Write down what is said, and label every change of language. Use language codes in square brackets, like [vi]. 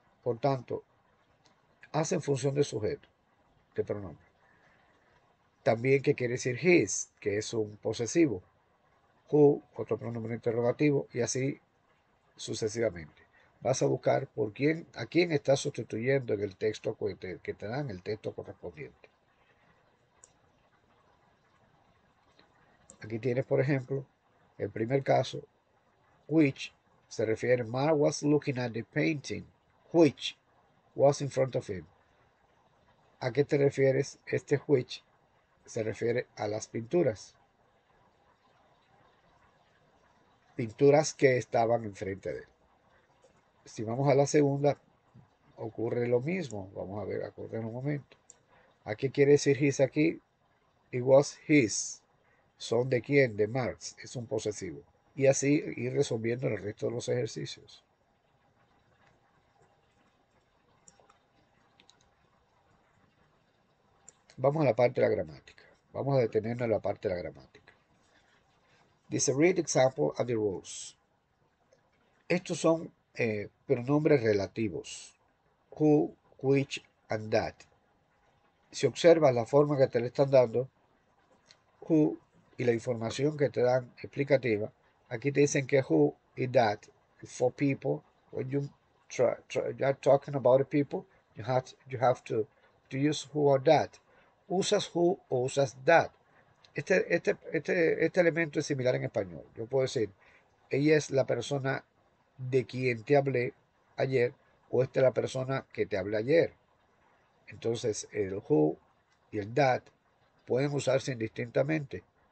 [es] Por tanto, hacen función de sujeto, de pronombre. También, ¿qué quiere decir his? Que es un posesivo. who, otro pronombre interrogativo, y así sucesivamente. Vas a buscar por quién, a quién está sustituyendo en el texto que te dan el texto correspondiente. Aquí tienes, por ejemplo, el primer caso, which se refiere, [en] Mark was looking at the painting, which was in front of him. [es] ¿A qué te refieres? Este which se refiere a las pinturas. Pinturas que estaban enfrente de él. Si vamos a la segunda, ocurre lo mismo. Vamos a ver, acorde en un momento. ¿A qué quiere decir his aquí? [en] It was his. [es] ¿Son de quién? De Marx. Es un posesivo. Y así ir resolviendo el resto de los ejercicios. Vamos a la parte de la gramática. Vamos a detenernos en la parte de la gramática. [en] Dice, read example and the rules. [es] Estos son pronombres relativos. Who, which, and that. Si observas la forma que te le están dando, who y la información que te dan explicativa, aquí te dicen que who y that for people. [en] When you you're talking about people, you have to use who or that. [es] ¿Usas who o usas that? Este elemento es similar en español. Yo puedo decir, ella es la persona de quien te hablé ayer o esta es la persona que te hablé ayer. Entonces, el who y el that pueden usarse indistintamente.